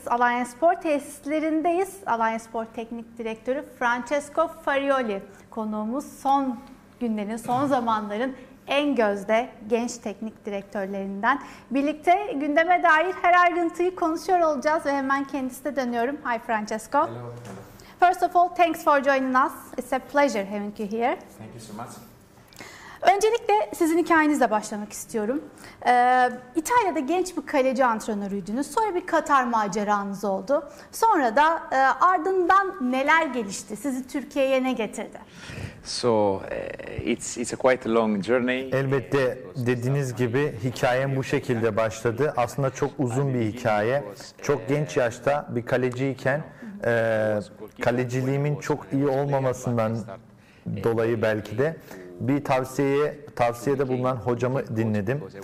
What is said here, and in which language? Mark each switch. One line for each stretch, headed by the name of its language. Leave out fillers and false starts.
Turkish: Alanya Spor tesislerindeyiz. Alanya Spor Teknik Direktörü Francesco Farioli konuğumuz. Son günlerin, son zamanların en gözde genç teknik direktörlerinden. Birlikte gündeme dair her ayrıntıyı konuşuyor olacağız ve hemen kendisine dönüyorum.
English: Hi Francesco. Hello. First of all, thanks for joining us. It's a pleasure having you here. Thank you so much.
Turkish: Öncelikle sizin hikayenizle başlamak istiyorum. İtalya'da genç bir kaleci antrenörüydünüz. Sonra bir Katar maceranız oldu. Sonra da ardından neler gelişti? Sizi Türkiye'ye ne getirdi?
English: So it's a quite long journey.
Turkish: Elbette dediğiniz gibi hikayem bu şekilde başladı. Aslında çok uzun bir hikaye. Çok genç yaşta bir kaleciyken kaleciliğimin çok iyi olmamasından dolayı belki de bir tavsiyede bulunan hocamı dinledim.